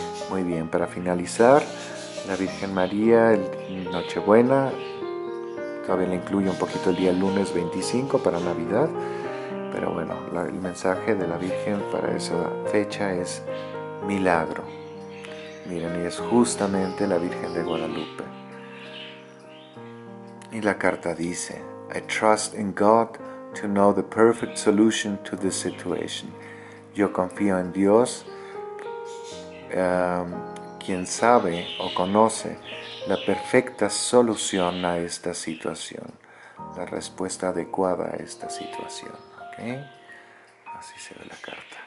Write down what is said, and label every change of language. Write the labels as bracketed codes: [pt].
[es] Muy bien, para finalizar, la Virgen María, Nochebuena, todavía le incluyo un poquito el día lunes 25 para Navidad, pero bueno, el mensaje de la Virgen para esa fecha es milagro. Miren, y es justamente la Virgen de Guadalupe. Y la carta dice, [en] I trust in God to know the perfect solution to this situation. [es] Yo confío en Dios, quien sabe o conoce la perfecta solución a esta situación, la respuesta adecuada a esta situación. ¿Okay? Así se ve la carta.